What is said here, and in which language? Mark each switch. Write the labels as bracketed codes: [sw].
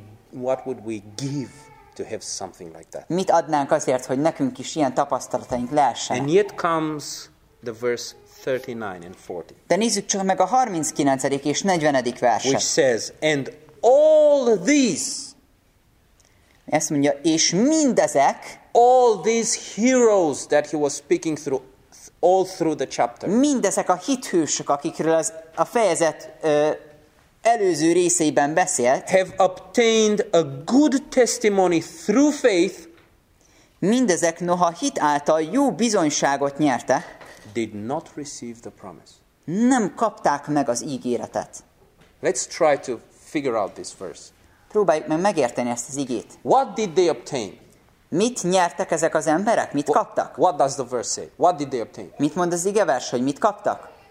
[en] What would we give to have something like that? [hu] Mit adnánk azért, hogy nekünk is ilyen tapasztalataink lehessenek? [en] And yet comes the verse 39 and 40. [hu] De nézzük csak meg a 39. és 40. verset. [en] Which says, and all these. [hu] Ezt mondja, és mindezek. [en] All these heroes that he was speaking through, all through the chapter. [hu] Mindezek a hithősök, akikről az a fejezet előző részében beszélt. [en] Have obtained a good testimony through faith. [hu] Mindezek noha hit által jó bizonyságot nyerte. [en] Did not receive the promise. [hu] Nem kapták meg az ígéretet. [en] Let's try to figure out this verse. [hu] Próbáljuk meg megérteni ezt az igét. [en] What did they obtain? [hu] Mit nyertek ezek az emberek? Mit kaptak? [en] What does the verse say? What did they obtain? [hu] Mit mond az igevers, hogy mit kaptak?